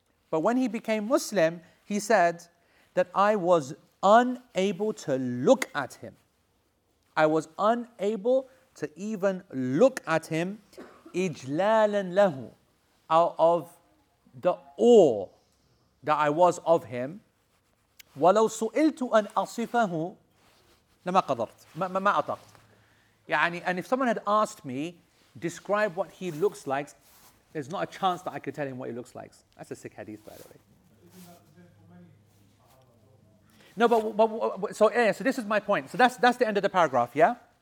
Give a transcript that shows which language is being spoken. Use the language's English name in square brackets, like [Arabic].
[English] But when he became Muslim, he said that I was unable to look at him. I was unable to even look at him, [Arabic] ijlalan lahu, [English] out of the awe that I was of him. [Arabic] وَلَوْ سُئِلْتُ أَنْ أَصِفَهُ لَمَا قَدَرْتُ مَا أَطَقْتُ. [English] And if someone had asked me, describe what he looks like, there's not a chance that I could tell him what he looks like. That's a sick hadith, by the way. No, but so, yeah, so this is my point. So that's the end of the paragraph, yeah?